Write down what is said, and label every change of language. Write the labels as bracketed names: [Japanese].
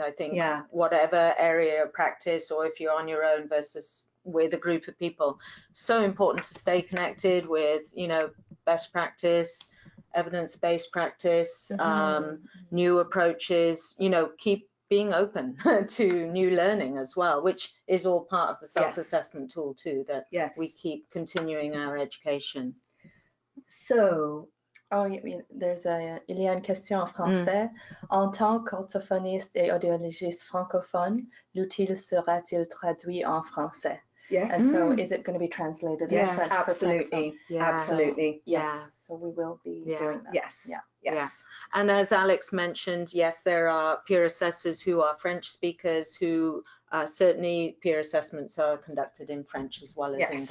[English] I think whatever area of practice, or if you're on your own versus with a group of people, so important to stay connected with, you know, best practice, evidence-based practice, new approaches, you know, keep being open to new learning as well, which is all part of the self-assessment tool too, that we keep continuing our education. So, there's a, [French] il y a une question en français. En tant qu'orthophoniste et audiologiste francophone, l'outil sera-t-il traduit en français? [English] And so is it going to be translated? Yes, absolutely. So we will be doing that. And as Alex mentioned, there are peer assessors who are French speakers who certainly peer assessments are conducted in French as well as English.